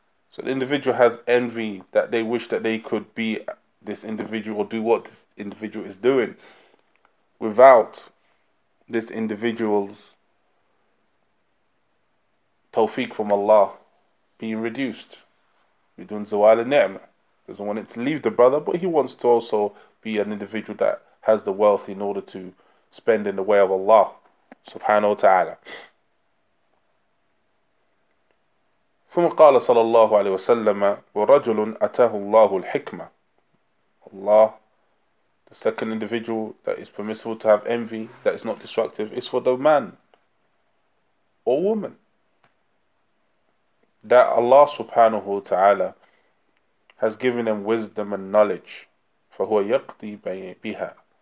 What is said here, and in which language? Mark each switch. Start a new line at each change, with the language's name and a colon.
English: So the individual has envy that they wish that they could be this individual or do what this individual is doing without this individual's tawfiq from Allah being reduced. You're doing zawal al-ni'mah. Doesn't want it to leave the brother, but he wants to also be an individual that has the wealth in order to spend in the way of Allah subhanahu wa ta'ala.
Arabic: ثم قال صلى الله عليه وسلم ورجل أتاه الله الحكمة.
English: Allah, the second individual that is permissible to have envy, that is not destructive, is for the man or woman that Allah subhanahu wa ta'ala has given them wisdom and knowledge.
Arabic: فَهُوَ يَقْضِي بِهَا